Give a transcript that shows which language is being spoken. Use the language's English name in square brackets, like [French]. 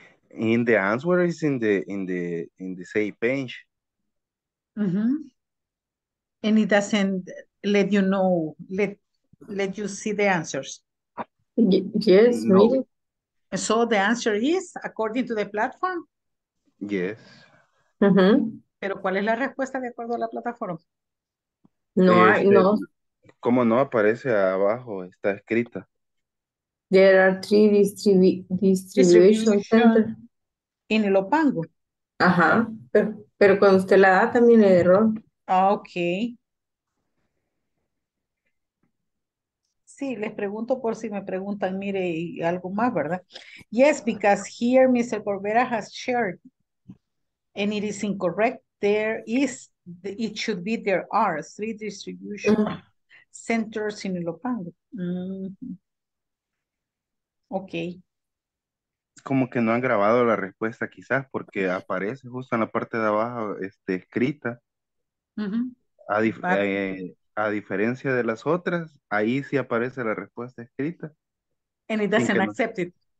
[English] In the answer is in the same page. Mm-hmm. And it doesn't let you see the answers. Yes, no. Really? So the answer is according to the platform. Yes. Mm-hmm. [Spanish] Pero ¿cuál es la respuesta de acuerdo a la plataforma? No hay, no. ¿Cómo no aparece abajo? Está escrita. [English] There are 3 distribution centers. [Spanish] En el Opango. Ajá. Pero cuando usted la da también hay error. Ah, ok. Sí, les pregunto por si me preguntan, mire, y algo más, ¿verdad? [English] Yes, because here Mr. Corbera has shared and it is incorrect. There is, it should be, there are 3 distribution centers in Ilopango. Mm-hmm. Okay. [Spanish] Como que no han grabado la respuesta quizás porque aparece justo en la parte de abajo escrita. Mm-hmm. A diferencia de las otras, ahí sí aparece la respuesta escrita. [English] And it doesn't accept it.